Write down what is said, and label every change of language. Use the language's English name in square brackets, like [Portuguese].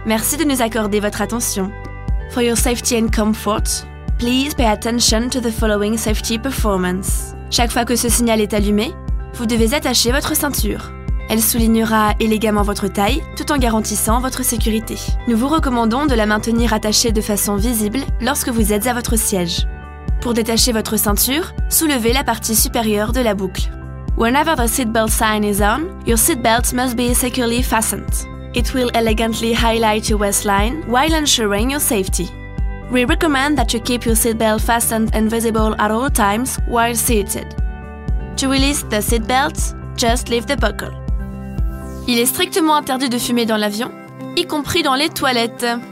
[French] Merci de nous accorder votre attention. [English] For your safety and comfort, please pay attention to the following safety performance. [French] Chaque fois que ce signal est allumé, vous devez attacher votre ceinture. Elle soulignera élégamment votre taille tout en garantissant votre sécurité. Nous vous recommandons de la maintenir attachée de façon visible lorsque vous êtes à votre siège. Pour détacher votre ceinture, soulevez la partie supérieure de la boucle. [English] Whenever the seatbelt sign is on, your seatbelt must be securely fastened. It will elegantly highlight your waistline while ensuring your safety. We recommend that you keep your seatbelt fastened and visible at all times while seated. To release the seatbelt, just leave the buckle. [French] Il est strictement interdit de fumer dans l'avion, y compris dans les toilettes.